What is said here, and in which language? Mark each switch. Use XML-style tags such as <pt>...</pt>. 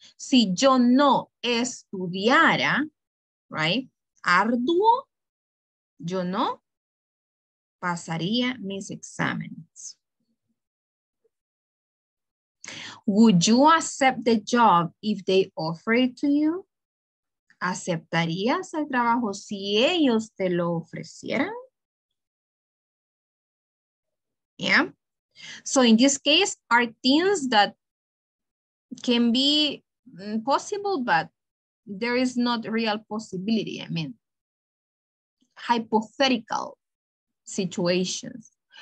<es>Si yo no estudiara, right, arduo, yo no pasaría mis exámenes.</es> <en>Would you accept the job if they offer it to you?</en> <es>¿Aceptarías el trabajo si ellos te lo ofrecieran?</es> <en>Yeah. So in this case, are things that can be possible, but there is not real possibility. I mean, hypothetical situations.</en>